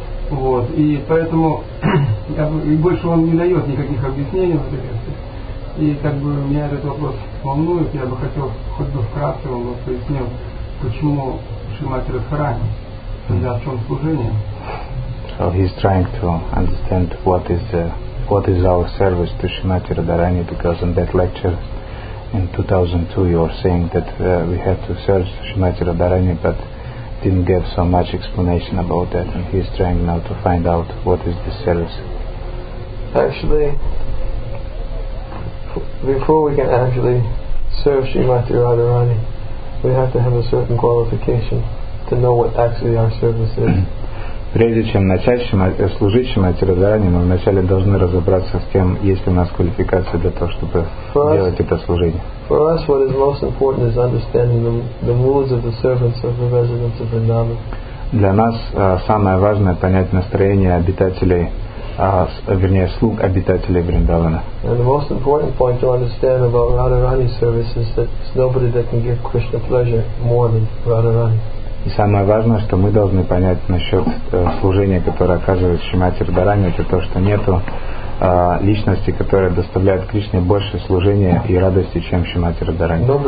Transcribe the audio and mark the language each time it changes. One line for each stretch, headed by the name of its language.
Russian: Вот, и поэтому и больше он не дает никаких объяснений в этой лекции. И как бы меня этот вопрос волнует, я бы хотел хоть бы вкратце он бы пояснил, почему Шримати Радхарани, для в чем служение.
English: So he's trying to understand what is our service to Shrimati Radharani, because in that lecture in 2002 you were saying that we have to serve Shrimati Radharani, but didn't give so much explanation about that, and he's trying now to find out what is the service. Actually, before we can actually serve Shrimati Radharani, we have to have a certain qualification to know what actually our service is.
Russian: Прежде чем начать служить Шримати Радхарани, мы вначале должны разобраться с тем, есть ли у нас квалификация для того, чтобы делать это служение.
English: For us, what is most important is understanding the moods of the servants of the residents of Vrindavan.
Russian: Для нас самое важное понять настроение обитателей, вернее слуг обитателей Вриндавана.
English: And the most important point to understand about Radharani's service is that there's nobody that can give Krishna pleasure more than Radharani.
Russian: И самое важное, что мы должны понять насчет служения, которое оказывает Шримати Радхарани, это то, что нету личности, которая доставляет Кришне больше служения и радости, чем Шримати Радхарани.